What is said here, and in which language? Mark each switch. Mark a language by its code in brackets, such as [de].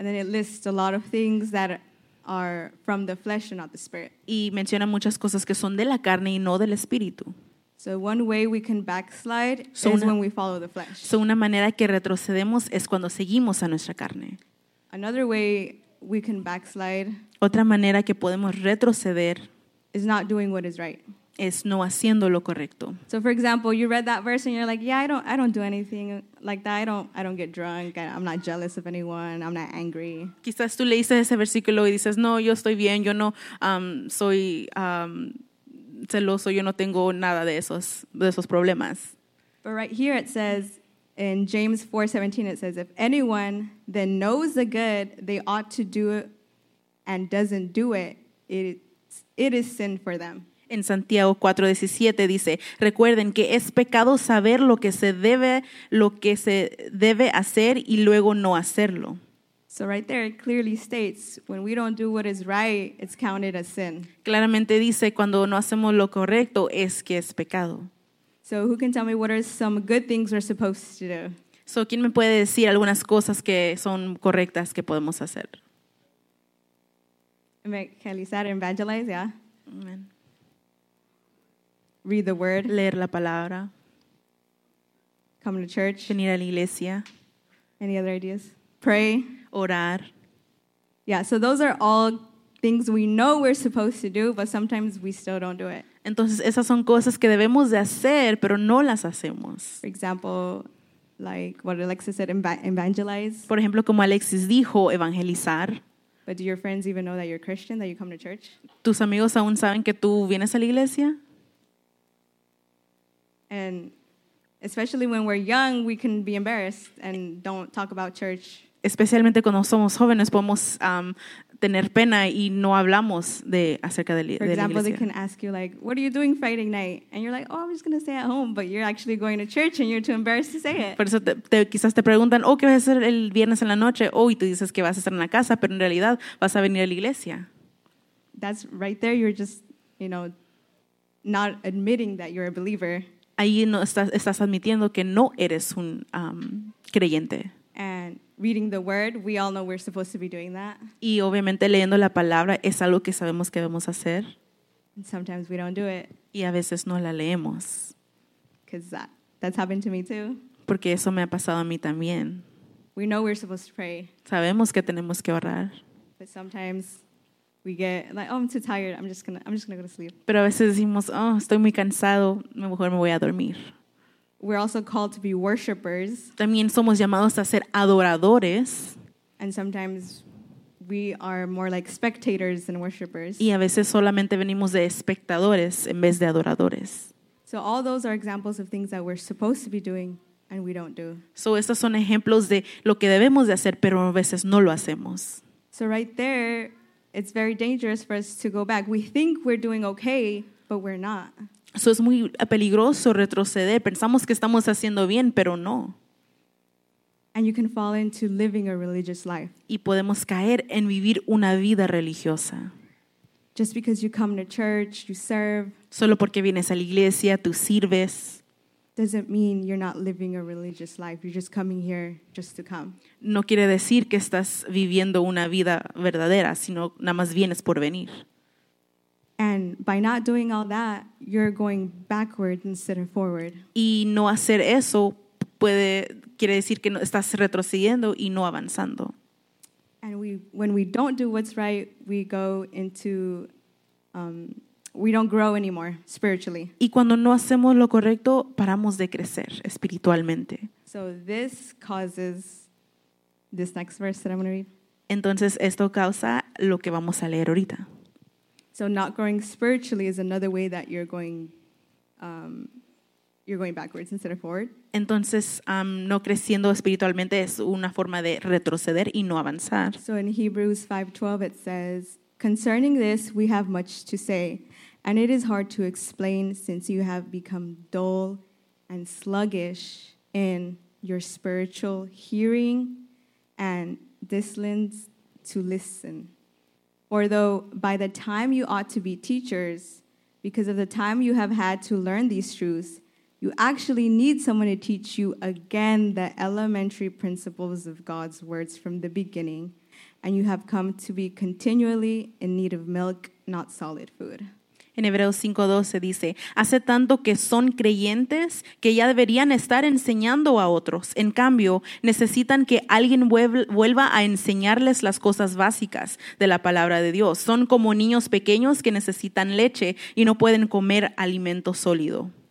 [en] And then it lists a lot of things that are from the flesh and not the spirit. [es] Y menciona muchas cosas que son de la carne y no del espíritu. [en] So one way we can backslide is when we follow the flesh. [es] So una manera que retrocedemos es cuando seguimos a nuestra carne. [en] Another way we can backslide. [es] Otra manera que podemos retroceder. [en] Is not doing what is right. [es] Es no haciendo lo correcto. [en] So for example, you read that verse and you're like, yeah, I don't do anything like that. I don't get drunk. I'm not jealous of anyone. I'm not angry. [es] Quizás tú leíste ese versículo y dices, no, yo estoy bien. Yo no soy celoso. Yo no tengo nada de esos problemas. [en] But right here it says, in James 4:17, it says, if anyone then knows the good they ought to do it and doesn't do it, it is sin for them. [es] En Santiago 4:17 dice, recuerden que es pecado saber lo que se debe hacer y luego no hacerlo. [en] So right there it clearly states when we don't do what is right, it's counted as sin. [es] Claramente dice cuando no hacemos lo correcto es que es pecado. [en] So who can tell me what are some good things we're supposed to do? [es] So ¿quién me puede decir algunas cosas que son correctas que podemos hacer? [en] Evangelizar, evangelize, yeah. Amen. Read the word. [es] Leer la palabra. [en] Come to church. [es] Venir a la iglesia. [en] Any other ideas? Pray. [es] Orar. [en] Yeah, so those are all things we know we're supposed to do, but sometimes we still don't do it. [es] Entonces esas son cosas que debemos de hacer, pero no las hacemos. [en] For example, like what Alexis said, evangelize. [es] Por ejemplo, como Alexis dijo, evangelizar. [en] But do your friends even know that you're Christian, that you come to church? [es] ¿Tus amigos aún saben que tú vienes a la iglesia? [en] And especially when we're young, we can be embarrassed and don't talk about church. [es] Especialmente cuando somos jóvenes, podemos tener pena y no hablamos acerca de la iglesia. [en] For example, they can ask you like, what are you doing Friday night? And you're like, oh, I'm just going to stay at home. But you're actually going to church and you're too embarrassed to say it. [es] Por eso quizás te preguntan, oh, ¿qué vas a hacer el viernes en la noche? Oh, y tú dices que vas a estar en la casa, pero en realidad vas a venir a la iglesia. [en] That's right there. You're just, you know, not admitting that you're a believer. [es] Ahí no estás admitiendo que no eres un creyente. [en] And reading the word, we all know we're supposed to be doing that. [es] Y obviamente leyendo la palabra es algo que sabemos que debemos hacer. [en] And sometimes we don't do it. [es] Y a veces no la leemos. [en] Because that's happened to me too. [es] Porque eso me ha pasado a mí también. [en] We know we're supposed to pray. [es] Sabemos que tenemos que orar. [en] But sometimes we get like, oh, I'm too tired. I'm just gonna go to sleep. [es] Pero a veces decimos, oh, estoy muy cansado. Mejor me voy a dormir. [en] We're also called to be worshipers. [es] También somos llamados a ser adoradores. [en] And sometimes we are more like spectators than worshipers. [es] Y a veces solamente venimos de espectadores en vez de adoradores. [en] So all those are examples of things that we're supposed to be doing and we don't do. [es] So estos son ejemplos de lo que debemos de hacer, pero a veces no lo hacemos. [en] So right there, it's very dangerous for us to go back. We think we're doing okay, but we're not. [es] Eso es muy peligroso retroceder. Pensamos que estamos haciendo bien, pero no. [en] And you can fall into living a religious life. [es] Y podemos caer en vivir una vida religiosa. [en] Just because you come to church, you serve. [es] Solo porque vienes a la iglesia, tú sirves. [en] Doesn't mean you're not living a religious life. You're just coming here just to come. [es] No quiere decir que estás viviendo una vida verdadera, sino nada más vienes por venir. [en] And by not doing all that, you're going backward instead of forward. [es] Y no hacer eso puede quiere decir que no, estás retrocediendo y no avanzando. [en] And when we don't do what's right, we go into we don't grow anymore spiritually. [es] Y cuando no hacemos lo correcto, paramos de crecer espiritualmente. [en] So this causes this next verse that I'm going to read. [es] Entonces esto causa lo que vamos a leer ahorita. [en] So not growing spiritually is another way that you're going backwards instead of forward. [es] Entonces, no creciendo espiritualmente es una forma de retroceder y no avanzar. [en] So in Hebrews 5:12 it says, concerning this we have much to say, and it is hard to explain since you have become dull and sluggish in your spiritual hearing and disciplined to listen. For though by the time you ought to be teachers, because of the time you have had to learn these truths, you actually need someone to teach you again the elementary principles of God's words from the beginning, and you have come to be continually in need of milk, not solid food. [es] En Hebreos 5:12 dice, hace tanto que son creyentes que ya deberían estar enseñando a otros. En cambio, necesitan que alguien vuelva a enseñarles las cosas básicas de la palabra de Dios. Son como niños pequeños que necesitan leche y no pueden comer alimento sólido.